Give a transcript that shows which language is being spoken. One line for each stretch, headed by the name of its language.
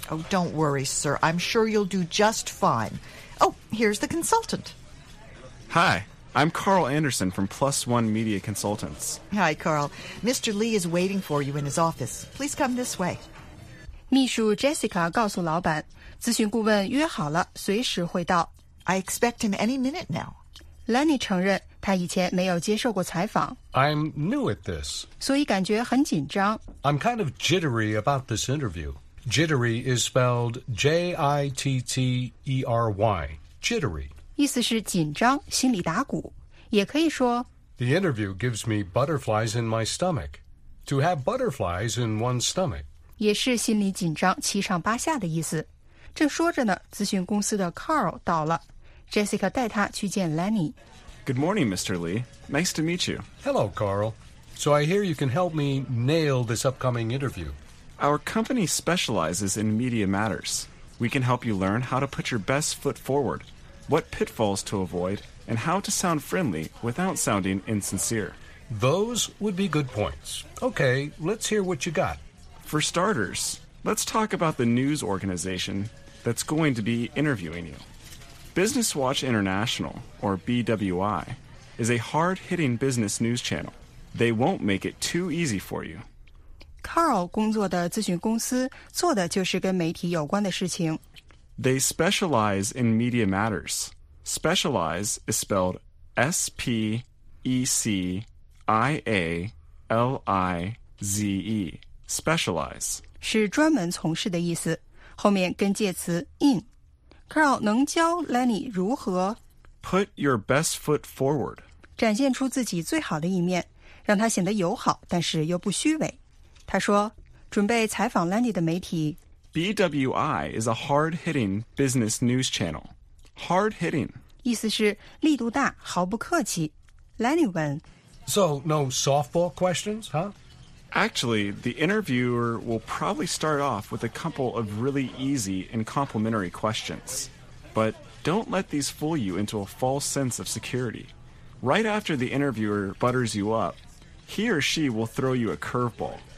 English: Oh don't worry sir， I'm sure you'll do just fineOh, here's the consultant. Hi, I'm Carl Anderson from Plus One Media Consultants. Hi, Carl. Mr. Lee is waiting for you in his office. Please come this way.
Chinese: 秘书 Jessica 告诉老板，咨询顾问约好了，随时会到。
English: I expect him any minute now.
Chinese: Lenny 承认他以前没有接受过采访。
English: I'm new at this.
Chinese: 所以感觉很紧张。
English: I'm kind of jittery about this interview. Jittery is spelled J-I-T-T-E-R-Y, jittery.
Chinese: 意思是紧张，心里打鼓，也可以说
English: The interview gives me butterflies in my stomach. To have butterflies in one's stomach.
Chinese: 也是心里紧张，七上八下的意思。正说着呢，咨询公司的 Carl 到了。 Jessica 带他去见 Lenny.
English: Good morning, Mr. Lee. Nice to meet you. Hello, Carl. So I hear you can help me nail this upcoming interview. Our company specializes in media matters. We can help you learn how to put your best foot forward, what pitfalls to avoid, and how to sound friendly without sounding insincere. Those would be good points. Okay, let's hear what you got. For starters, let's talk about the news organization that's going to be interviewing you. Business Watch International, or BWI, is a hard-hitting business news channel. They won't make it too easy for you.
Chinese: Carl 工作的咨询公司做的就是跟媒体有关的事情。
English: They specialize in media matters. Specialize is spelled S-P-E-C-I-A-L-I-Z-E. Specialize.
Chinese: 是专门从事的意思，后面跟介词 in。 Carl 能教 Lenny 如何
English: Put your best foot forward.
Chinese: 展现出自己最好的一面，让他显得友好，但是又不虚伪。他说，准备采访 Lenny 的媒体。
English: BWI is a hard-hitting business news channel. Hard-hitting.
Chinese: 意思是力度大，毫不客气。 Lenny 问。
English: So, no softball questions, huh? Actually, the interviewer will probably start off with a couple of really easy and complimentary questions. But don't let these fool you into a false sense of security. Right after the interviewer butters you up, he or she will throw you a curveball.